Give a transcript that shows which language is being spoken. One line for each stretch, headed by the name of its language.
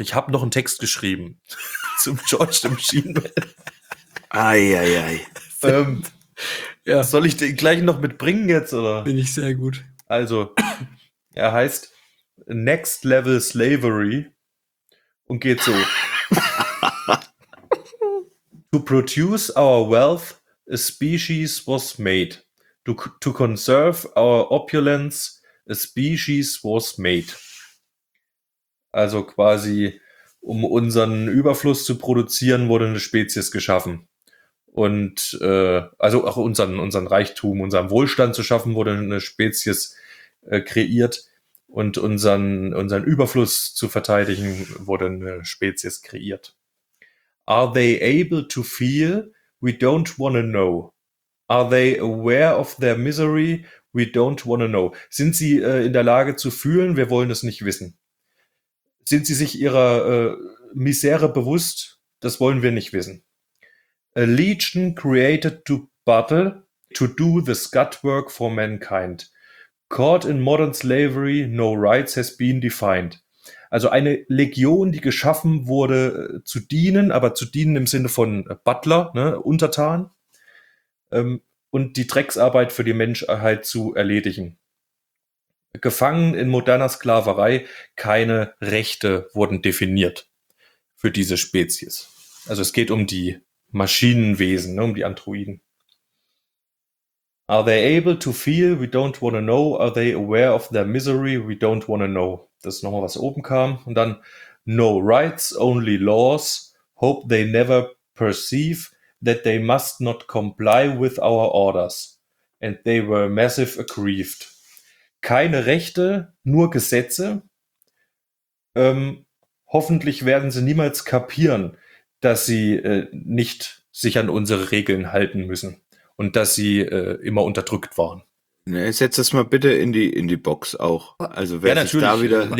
German: Ich habe noch einen Text geschrieben zum George the Machine Man. Eieiei. Soll ich den gleich noch mitbringen jetzt, oder? Bin ich sehr gut. Also, er heißt Next Level Slavery und geht so.
English: To produce our wealth, a species was made. To conserve our opulence, a species was made.
German: Also quasi, um unseren Überfluss zu produzieren, wurde eine Spezies geschaffen. Und also auch unseren Reichtum, unseren Wohlstand zu schaffen, wurde eine Spezies kreiert. Und unseren Überfluss zu verteidigen, wurde eine Spezies kreiert.
English: Are they able to feel? We don't want to know. Are they aware of their misery? We don't want to know.
German: Sind sie in der Lage zu fühlen? Wir wollen es nicht wissen. Sind sie sich ihrer Misere bewusst? Das wollen wir nicht wissen.
English: A legion created to battle, to do the scut work for mankind. Caught in modern slavery, no rights has been defined.
German: Also eine Legion, die geschaffen wurde zu dienen, aber zu dienen im Sinne von Butler, ne, Untertan, und die Drecksarbeit für die Menschheit zu erledigen. Gefangen in moderner Sklaverei, keine Rechte wurden definiert für diese Spezies. Also es geht um die Maschinenwesen, ne, um die Androiden.
English: Are they able to feel? We don't want to know. Are they aware of their misery? We don't want to know.
German: Das ist nochmal, was oben kam. Und dann,
English: no rights, only laws. Hope they never perceive that they must not comply with our orders. And they were massive aggrieved.
German: Keine Rechte, nur Gesetze. Hoffentlich werden sie niemals kapieren, dass sie nicht sich an unsere Regeln halten müssen. Und dass sie immer unterdrückt waren. Ne, setz das mal bitte in die Box auch. Also wer sich da wieder berufen fühlt.